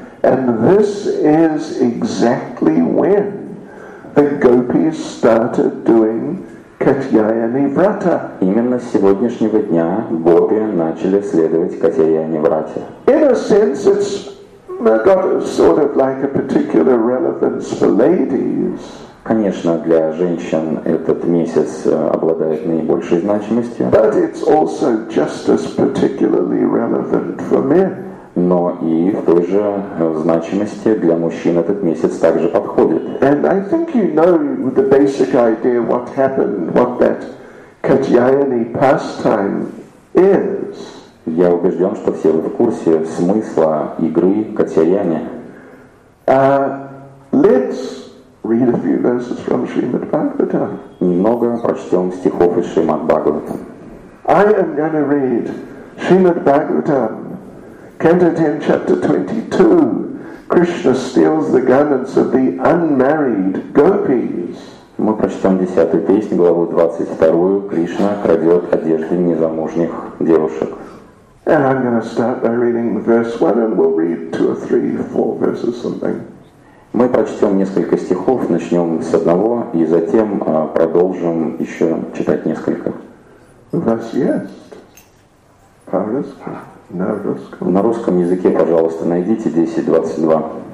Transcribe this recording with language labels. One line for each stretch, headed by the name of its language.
English: And this is exactly when the gopis started doing Katyayani Vrata.
Russian: Именно с сегодняшнего дня гопи начали следовать Катьяяни Врате.
English: In a sense, it's got a sort of like a particular relevance for ladies.
Russian: Конечно, для женщин этот месяц обладает наибольшей значимостью.
English: But it's also just as particularly relevant for men.
Russian: Но и в той же значимости для мужчин этот месяц также подходит.
English: And I think you know the basic idea what happened, what that Katyayani pastime is.
Russian: Я убежден, что все вы в курсе смысла игры Катьяяни.
English: Let's read a few verses from Srimad Bhagavatam.
Russian: Немного прочтем стихов из Шримад Бхагаватам.
English: I am going to read Srimad Bhagavatam, Canto 10, Chapter 22. Krishna steals the garments of the unmarried gopis.
Russian: Мы прочтем 10-ю песню, главу 22-ю. Кришна крадет одежды незамужних девушек.
English: And I'm going to start by reading verse 1, and we'll read 2 or 3, 4 verses something.
Russian: Мы прочтем несколько стихов, начнем с одного, и затем продолжим еще читать несколько. У вас есть? По-русски? На русском? На русском языке, пожалуйста, найдите 10.22.